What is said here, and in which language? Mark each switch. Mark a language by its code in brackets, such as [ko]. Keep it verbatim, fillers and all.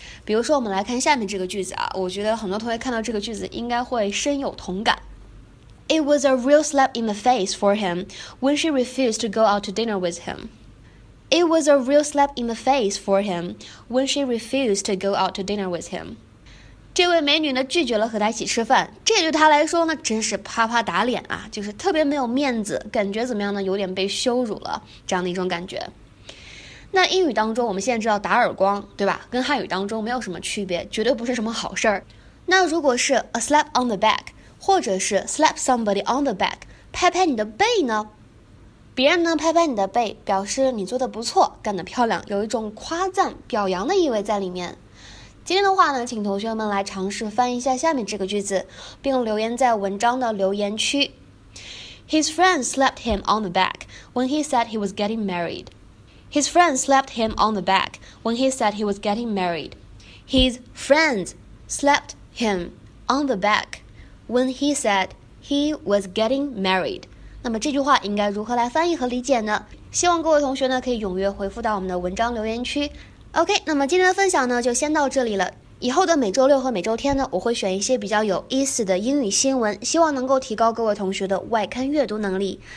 [zh] 比如说我们来看下面这个句子啊，我觉得很多同学看到这个句子应该会深有同感。 [en] It was a real slap in the face for him when she refused to go out to dinner with him. It was a real slap in the face for him when she refused to go out to dinner with him. [zh] 这位美女呢拒绝了和他一起吃饭，这对他来说呢真是啪啪打脸啊，就是特别没有面子，感觉怎么样呢，有点被羞辱了这样的一种感觉。那英语当中我们现在知道打耳光，对吧？跟汉语当中没有什么区别，绝对不是什么好事儿。那如果是 [en] a slap on the back， [zh] 或者是 [en] slap somebody on the back， [zh] 拍拍你的背呢？别人呢拍拍你的背，表示你做得不错，干得漂亮，有一种夸赞、表扬的意味在里面。今天的话呢，请同学们来尝试翻译一下下面这个句子，并留言在文章的留言区。 [en] His friend slapped him on the back when he said he was getting married. His friend slapped him on the back when he said he was getting married. His friends slapped him on the back when he said he was getting married. [zh] 那么这句话应该如何来翻译和理解呢？希望各位同学呢可以踊跃回复到我们的文章留言区。 OK， 那么今天的分享呢就先到这里了。以后的每周六和每周天呢，我会选一些比较有意思的英语新闻，希望能够提高各位同学的外刊阅读能力。